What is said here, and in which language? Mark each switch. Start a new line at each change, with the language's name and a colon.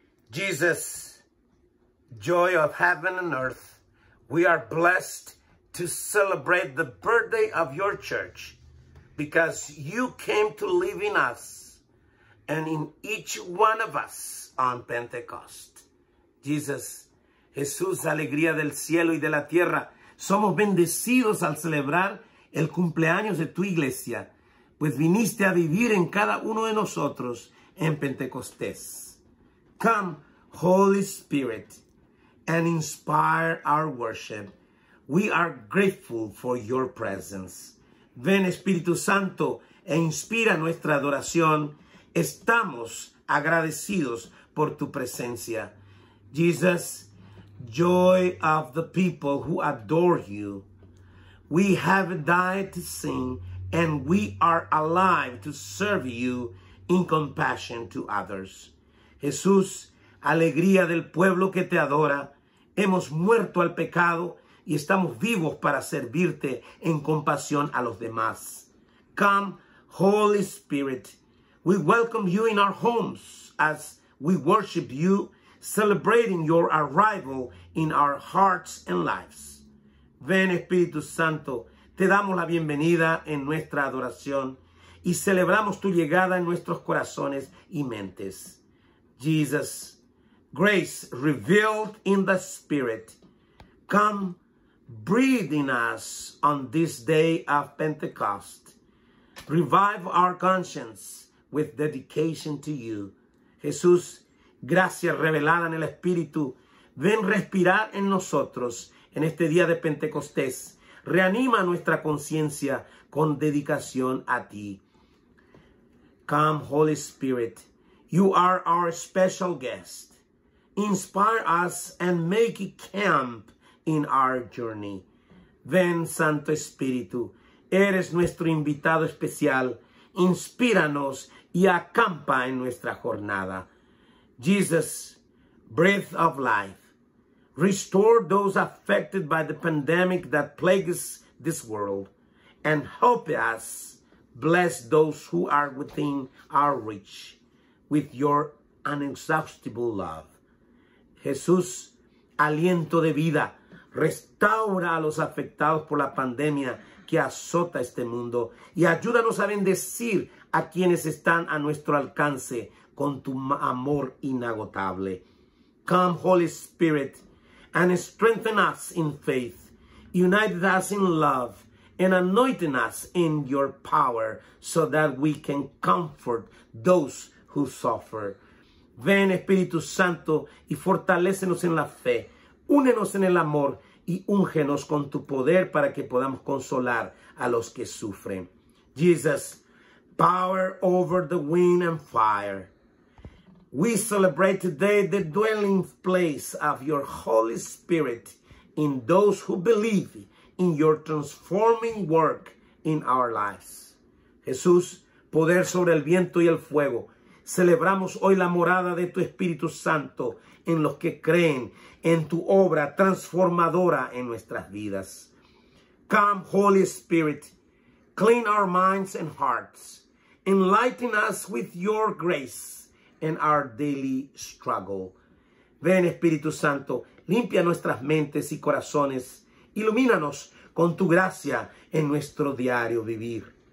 English: Jesus, joy of heaven and earth, we are blessed to celebrate the birthday of your church. because you came to live in us and in each one of us on Pentecost.
Spanish: Jesus, Jesús, alegría del cielo y de la tierra. Somos bendecidos al celebrar el cumpleaños de tu iglesia, pues viniste a vivir en cada uno de nosotros en Pentecostés.
English: Come, Holy Spirit, and inspire our worship. We are grateful for your presence.
Spanish: Ven, Espíritu Santo, e inspira nuestra adoración. Estamos agradecidos por tu presencia.
English: Jesus, joy of the people who adore you. We have died to sin, and we are alive to serve you in compassion to others.
Spanish: Jesús, alegría del pueblo que te adora. Hemos muerto al pecado y estamos vivos para servirte en compasión a los demás.
English: Come, Holy Spirit. We welcome you in our homes as we worship you, celebrating your arrival in our hearts and lives.
Spanish: Ven, Espíritu Santo, te damos la bienvenida en nuestra adoración y celebramos tu llegada en nuestros corazones y mentes.
English: Jesus, grace revealed in the Spirit, come, breathe in us on this day of Pentecost. Revive our conscience with dedication to you.
Spanish: Jesús, gracia revelada en el Espíritu, ven respirar en nosotros en este día de Pentecostés. Reanima nuestra conciencia con dedicación a ti.
English: Come, Holy Spirit, you are our special guest. Inspire us and make it camp in our journey.
Spanish: Ven, Santo Espíritu, eres nuestro invitado especial. Inspíranos y acampa en nuestra jornada.
English: Jesus, breath of life. Restore those affected by the pandemic that plagues this world and help us bless those who are within our reach with your inexhaustible love.
Spanish: Jesús, aliento de vida, restaura a los afectados por la pandemia que azota este mundo y ayúdanos a bendecir a quienes están a nuestro alcance con tu amor inagotable.
English: Come, Holy Spirit, and strengthen us in faith, unite us in love, and anoint us in your power so that we can comfort those who suffer.
Spanish: Ven, Espíritu Santo, y fortalécenos en la fe. Únenos en el amor y úngenos con tu poder para que podamos consolar a los que sufren.
English: Jesus, power over the wind and fire. We celebrate today the dwelling place of your Holy Spirit in those who believe in your transforming work in our lives.
Spanish: Jesús, poder sobre el viento y el fuego. Celebramos hoy la morada de tu Espíritu Santo en los que creen en tu obra transformadora en nuestras vidas.
English: Come, Holy Spirit, clean our minds and hearts. Enlighten us with your grace in our daily struggle.
Spanish: Ven, Espíritu Santo, limpia nuestras mentes y corazones. Ilumínanos con tu gracia en nuestro diario vivir.